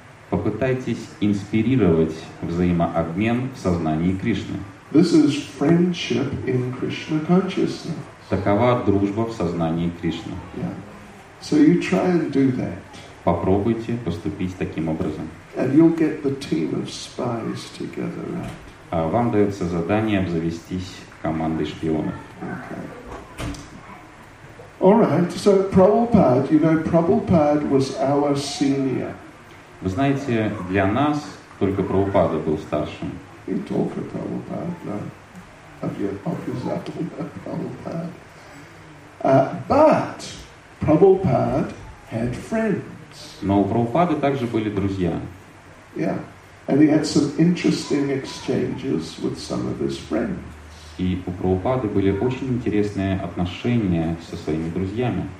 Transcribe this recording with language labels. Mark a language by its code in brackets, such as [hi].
[ru] Попытайтесь инспирировать взаимообмен в сознании Кришны. [en] This is friendship in Krishna consciousness. [ru] Такова дружба в сознании Кришны. [en] Yeah. So you try and do that. [ru] Попробуйте поступить таким образом. [en] And you'll get the team of spies together, right? [ru] А вам дается задание обзавестись командой шпионов. [en] Okay. All right. So Prabhupada, you know, Prabhupada was our senior. [ru] Вы знаете, для нас только Прабхупада был старшим. [en] He talked to Prabhupada, no? Prabhupada. But Prabhupada had friends. [ru] Но у Прабхупады также были друзья. [en] Yeah, and he had some interesting exchanges with some of his friends. [ru] И у Прабхупады были очень интересные отношения со своими друзьями.